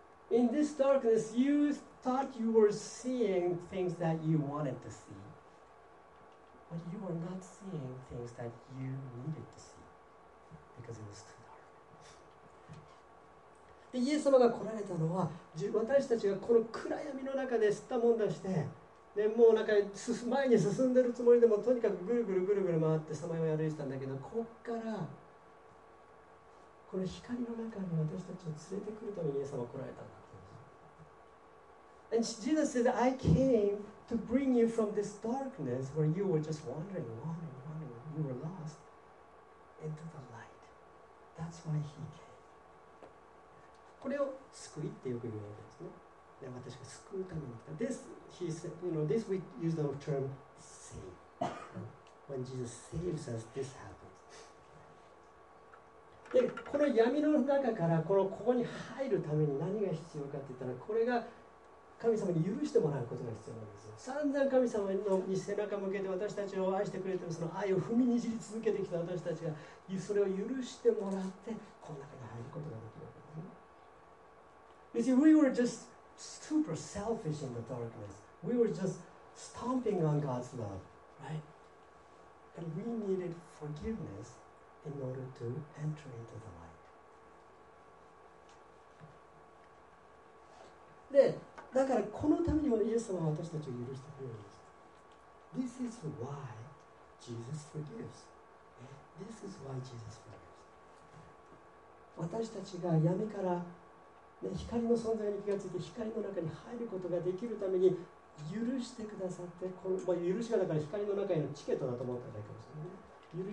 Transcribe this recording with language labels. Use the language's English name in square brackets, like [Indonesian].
[English] In this darkness, you thought you were seeing things that you wanted to see, but you were not seeing things that you needed to see because it was too dark. [Japanese] で、イエス様が来られたのは、私たちがこの暗闇の中で吸ったもんだして、ね、もうなんか前に進んでるつもりでもとにかくぐるぐるぐるぐる回ってさまよい歩いてたんだけど、こっから。この光の中に私たちを連れてくるためにイエス様が来られたんだと。 [English] And Jesus said, I came to bring you from this darkness where you were just wandering, wandering, wandering, you were lost, into the light. That's why he came. [Japanese] これを救いってよく言われるんですね。私が救うために来た。 [English] This, he said, you know, this we use the term save. When Jesus saves us, this happens. [Japanese] で、この闇の中からここに入るために何が必要かって言ったら、これが神様に許してもらうことが必要なんですよ。散々神様に背中向けて私たちを愛してくれてる、その愛を踏みにじり続けてきた私たちが、それを許してもらって、この中に入ることができるわけですね。 [English] You see, we were just super selfish in the darkness. We were just stomping on God's love, right? And we needed forgiveness in order to enter into the light. [Japanese] で、だからこのためにもイエス様は私たちを許してくれるんです。 [English] This is why Jesus forgives. This is why Jesus forgives. [Japanese] 私たちが闇から、ね、光の存在に気がついて光の中に入ることができるために許してくださって、この、まあ、許しがだから光の中へのチケットだと思ったらいいかもしれない、ね。